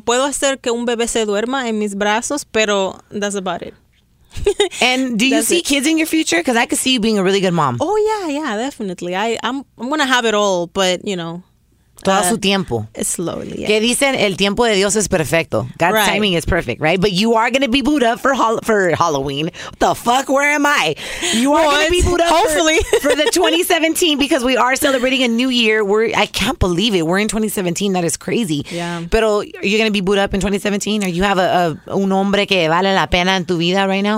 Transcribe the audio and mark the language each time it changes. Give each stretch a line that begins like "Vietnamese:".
Spanish: Puedo hacer que un bebé se duerma en mis brazos, pero
English: that's about it. And do you see kids in your future? Because I could see you being a really good mom. Oh yeah, definitely. I'm gonna have it all, but you know,
Spanish: todo su tiempo.
English: Slowly. Yeah.
Spanish: Que dicen, el tiempo de Dios es perfecto.
English: God's right. Timing is perfect, right? But you are going to be booed up for Halloween. What the fuck? Where am I? You are going to be booed up for the 2017 because we are celebrating a new year. I can't believe it. We're in 2017. That is crazy. Yeah. Pero are you going to be booed up in 2017? Or you have
Spanish: un hombre que vale la pena en tu vida
English: right now?